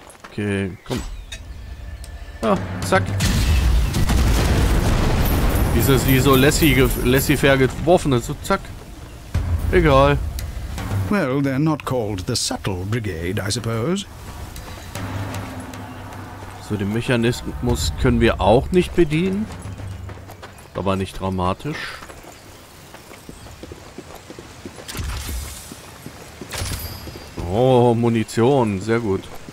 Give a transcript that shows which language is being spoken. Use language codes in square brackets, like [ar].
[de] Okay, komm. Ah, zack. Dieses, wie so lässig-fair geworfen ist. So, zack. Egal. [en] Well, they're not called the Subtle Brigade, I suppose. [de] So, den Mechanismus können wir auch nicht bedienen. Aber nicht dramatisch. Oh, Munition. Sehr gut.